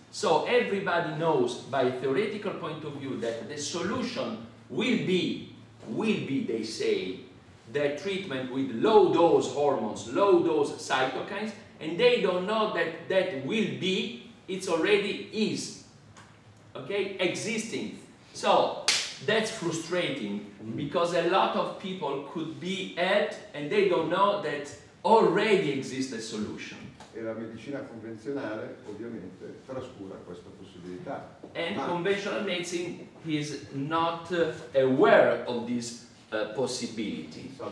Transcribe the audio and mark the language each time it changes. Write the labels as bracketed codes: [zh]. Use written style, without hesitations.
[en] So everybody knows by a theoretical point of view that the solution will be, they say, the treatment with low dose hormones, low dose cytokines, and they don't know that that will be, it's already is, okay, existing. So that's frustrating, because a lot of people could be helped and they don't know that already exists a solution. [it] E la medicina convenzionale ovviamente trascura questa possibilità. [en] And conventional medicine is not aware of this possibility.